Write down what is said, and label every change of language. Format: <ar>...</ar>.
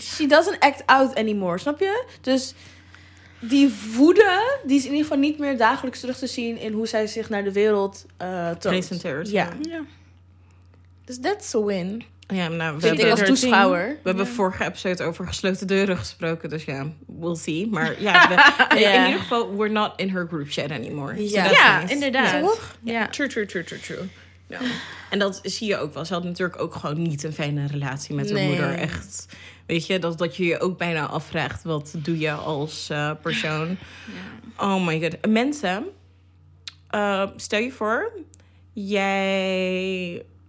<en>She doesn't act out anymore,</en> <nl>snap je? Dus die woede, die is in ieder geval niet meer dagelijks terug te zien... in hoe zij zich naar de wereld toont. Presenteert. Ja. Dus</nl> <en>that's a win.</en> <nl>Ja, nou, als toeschouwer. We hebben vorige episode over gesloten deuren gesproken. Dus ja,</nl> <en>we'll see.</en> <nl>Maar ja, in ieder geval,</nl> <en>we're not in her group yet anymore.</en> <nl>Inderdaad. True. Ja. En dat zie je ook wel. Ze had natuurlijk ook gewoon niet een fijne relatie met haar moeder. Echt, weet je, dat je je ook bijna afvraagt. Wat doe je als persoon? Ja.</nl> <en>Oh my god.</en> <nl>Mensen, stel je voor, jij...</nl>